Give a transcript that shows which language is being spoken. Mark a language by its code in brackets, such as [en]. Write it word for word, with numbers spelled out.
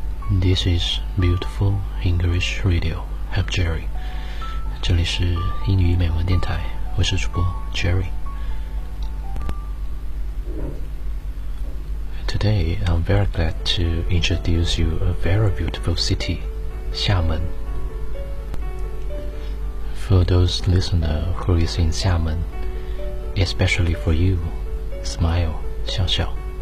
[en] This is beautiful English radio. Help Jerry. [zh] 这里是英语美文电台，我是主播 Jerry. [en] Today, I'm very glad to introduce you a very beautiful city, 厦门. For those listeners who is in 厦门, especially for you, smile, 笑笑。